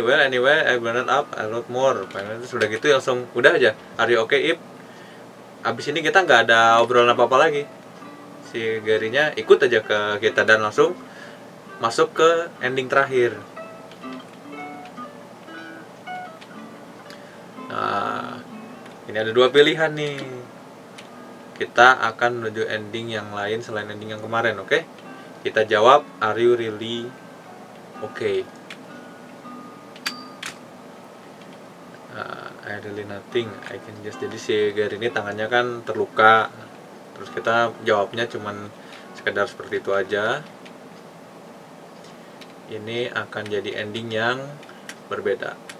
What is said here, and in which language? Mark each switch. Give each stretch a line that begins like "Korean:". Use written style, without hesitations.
English: Well, anyway, I burned up a lot more.
Indonesian: Pengen itu sudah gitu langsung udah aja.
English: Are you okay, Ip?
Indonesian: Abis ini kita enggak ada obrolan apa-apa lagi. Si Gary-nya ikut aja ke kita dan langsung masuk ke ending terakhir. Nah, ini ada dua pilihan nih. Kita akan menuju ending yang lain selain ending yang kemarin, oke? Okay? Kita jawab,
English: are you really okay? I really nothing, I can just...
Indonesian: Jadi si Gary ini tangannya kan terluka. Terus kita jawabnya cuman sekedar seperti itu aja. Ini akan jadi ending yang berbeda.